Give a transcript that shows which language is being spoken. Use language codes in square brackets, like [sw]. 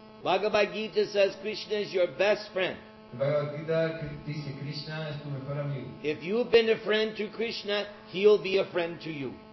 [en] Bhagavad Gita says Krishna is your best friend. [es] Bhagavad Gita dice Krishna es tu mejor amigo. [en] If you've been a friend to Krishna, he'll be a friend to you.